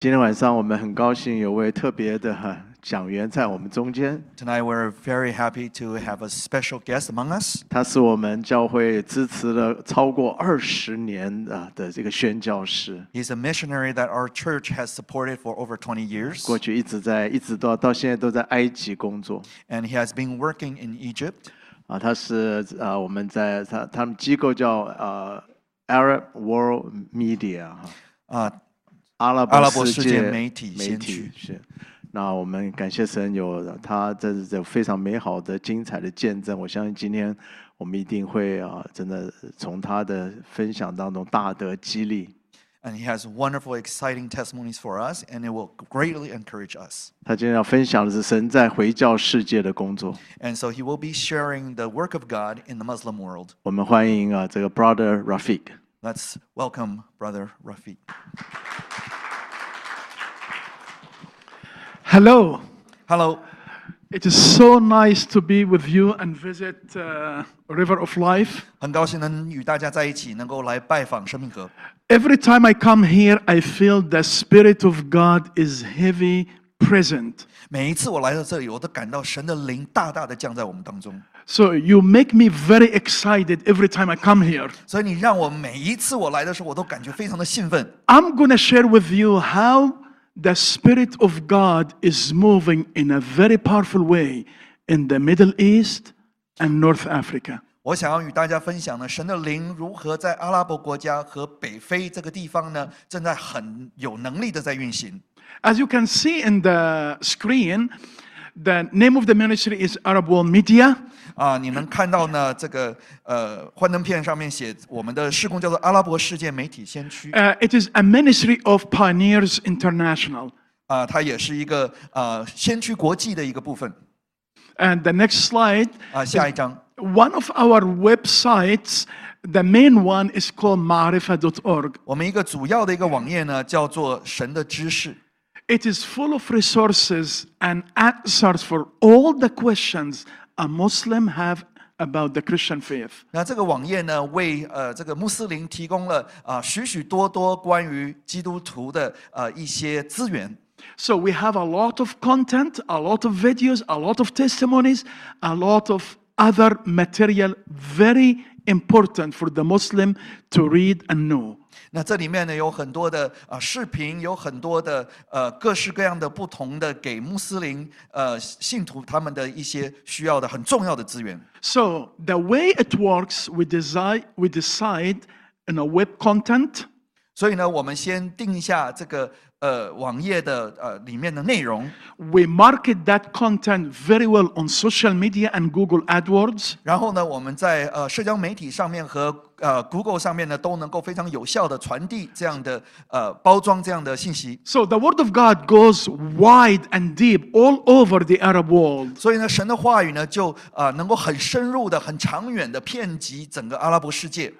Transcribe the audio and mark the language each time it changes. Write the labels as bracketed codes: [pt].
[zh] 今天晚上我们很高兴有位特别的讲员在我们中间。 [en] Tonight we're very happy to have a special guest among us. [zh] 他是我们教会支持了超过20年的这个宣教师。 [en] He's a missionary that our church has supported for over 20 years. [zh] 过去一直到现在都在埃及工作。 [en] And he has been working in Egypt. [zh] 他是我们在他们机构叫Arab World Media。阿拉伯世界媒体先驱是，那我们感谢神有他，这是非常美好的、精彩的见证。我相信今天我们一定会真的从他的分享当中大得激励。 [en] And he has wonderful, exciting testimonies for us, and it will greatly encourage us. [zh] 他今天要分享的是神在回教世界的工作。 [en] And so he will be sharing the work of God in the Muslim world. [zh] 我们欢迎这个 Brother Rafiq。 [en] Let's welcome Brother Rafiq. Hello. Hello. It is so nice to be with you and visit River of Life. [zh] 很高兴能与大家在一起，能够来拜访生命河。 [en] Every time I come here, I feel the Spirit of God is heavy present. [zh] 每一次我来到这里，我都感到神的灵大大的降在我们当中。 [en] So you make me very excited every time I come here. [zh] 所以你让我每一次我来的时候，我都感觉非常的兴奋。 [en] I'm going to share with you how the Spirit of God is moving in a very powerful way in the Middle East and North Africa. [zh] 我想要与大家分享呢，神的灵如何在阿拉伯国家和北非这个地方呢，正在很有能力的在运行。 [en] As you can see in the screen,The name of the ministry is Arab World Media. [zh] 你们看到呢？这个幻灯片上面写我们的事工叫做阿拉伯世界媒体先驱。 [en] It is a ministry of Pioneers International. [zh] 它也是一个先驱国际的一个部分。 [en] And the next slide. [zh] 下一张。 [en] One of our websites, the main one is called Maarifa.org. [zh] 我们一个主要的一个网页呢，叫做神的知识。 [en] It is full of resources and answers for all the questions a Muslim have about the Christian faith. [zh] 那这个网页呢，为这个穆斯林提供了许许多多关于基督徒的一些资源。 [en] So we have a lot of content, a lot of videos, a lot of testimonies, a lot of other material. Very important for the Muslim to read and know. [zh] 那这里面呢有很多的视频，有很多的各式各样的不同的给穆斯林信徒他们的一些需要的很重要的资源。 [en] So the way it works, we decide in a web content. [zh] 所以呢，我们先定下这个网页的里面的内容。 [en] We market that content very well on social media and Google AdWords. [zh] 然后呢，我们在社交媒体上面和Google 上面呢都能够非常有效的传递这样的包装这样的信息。 [en] So the word of God goes wide and deep all over the Arab world. [zh] 所以呢，神的话语呢就能够很深入的、很长远的遍及整个阿拉伯世界。